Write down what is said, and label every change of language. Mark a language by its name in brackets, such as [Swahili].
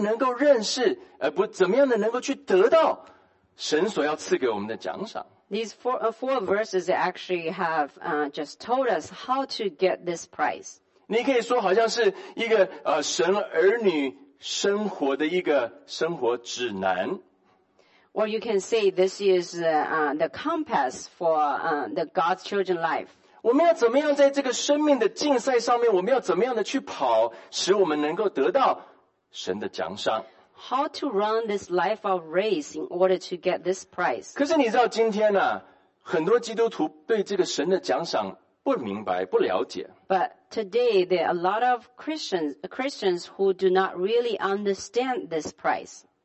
[Chinese] 哥林多前书的这四节经文就是告诉我们怎么样去能够认识，不怎么样的能够去得到。 [English] These four verses actually have just told us how to get this prize. [Chinese] 你可以说好像是一个神儿女生活的一个生活指南。 [English] Or you can say this is the compass for the God's children life. [Chinese] 我们要怎么样在这个生命的竞赛上面，我们要怎么样的去跑，使我们能够得到神的奖赏？ [English] How to run this life of race in order to get this prize? [Chinese] 可是你知道今天呢，很多基督徒对这个神的奖赏不明白、不了解。 [English] But today there are a lot of Christians who do not really understand this prize.